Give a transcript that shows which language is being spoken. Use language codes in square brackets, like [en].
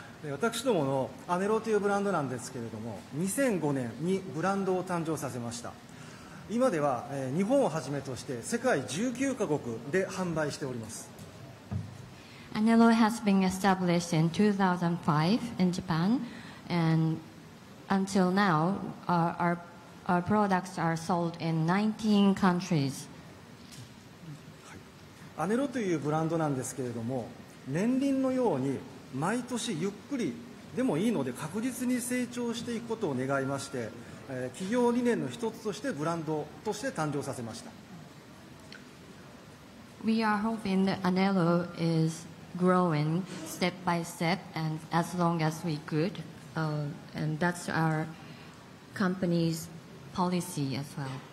[ja] 私どものアネロというブランドなんですけれども、 2005年にブランドを誕生させました。今では日本をはじめとして世界 19カ国で販売しております。 [en] Anello has been established in 2005 in Japan, and until now, our products are sold in 19 countries. [ja] Anello というブランドなんですけれども、年輪のように毎年ゆっくりでもいいので確実に成長していくことを願いまして、企業理念の一つとしてブランドとして誕生させました。 [en] We are hoping that Anello is growing step by step and as long as we could, and that's our company's policy as well.